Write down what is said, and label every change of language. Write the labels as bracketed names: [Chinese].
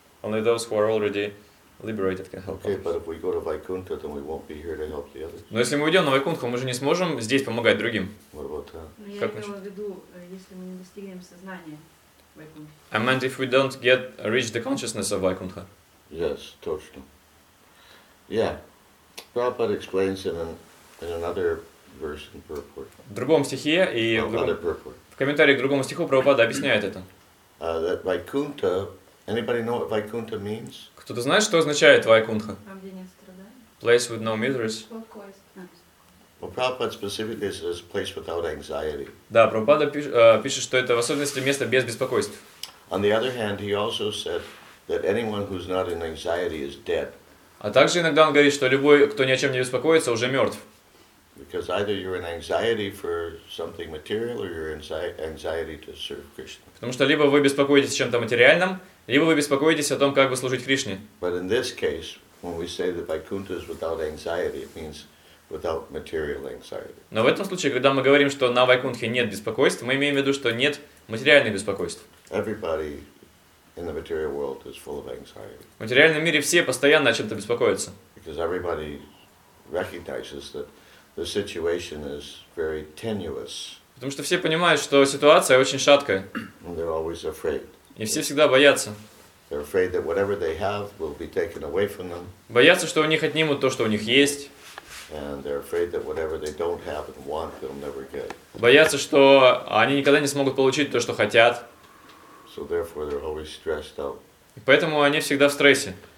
[English] Only those who are already liberated can help. Okay, others. But if we go to Vaikuntha, then we won't be here to help the others. [Russian] Но если мы уйдем на Вайкунху, мы же не сможем здесь помогать другим. [English] What about that? [Russian] Я имела в виду, если мы не достигнем сознания Вайкунха. [English] I meant if we don't reach the consciousness of Vaikuntha. Yes, [Russian] точно. [English] Yeah, Prabhupada explains in another. [Russian] В другом стихе и в комментарии к другому стиху Прабхупада объясняет это. [English] That Vaikuntha, anybody know what Vaikuntha means? [Russian] Кто-то знает, что означает Вайкунха? Там, где нет страданий. [English] Place with no miseries. Well, Prabhupada specifically says place without anxiety. [Russian] Да, Прабхупада пишет, что это в особенности место без беспокойств. [English] On the other hand, he also said that anyone who's not in anxiety is dead. [Russian] А также иногда он говорит, что любой, кто ни о чем не беспокоится, уже мертв. [English] because either you're in anxiety for something material or you're in anxiety to serve Krishna. [Russian] Потому что либо вы беспокоитесь о чем-то материальном, либо вы беспокоитесь о том, как бы служить Кришне. [English] But in this case, when we say that Vaikuntha is without anxiety, it means without material anxiety. [Russian] Но в этом случае, когда мы говорим, что на Вайкунтхе нет беспокойств, мы имеем в виду, что нет материальных беспокойств. [English] Everybody in the material world is full of anxiety. [Russian] В материальном мире все постоянно о чем-то беспокоятся. [English] Because everybody recognizes that the situation is very tenuous. [Russian] Потому что все понимают, что ситуация очень шаткая. [English] And they're always afraid. [Russian] И все всегда боятся. [English] They're afraid that whatever they have will be taken away from them. [Russian] Боятся, что у них отнимут то, что у них есть. [English] And they're afraid that whatever they don't have and want, they'll never get. [Russian] Боятся, что они никогда не смогут получить то, что хотят. [English] So therefore, they're always stressed out. [Russian] И поэтому они всегда в стрессе.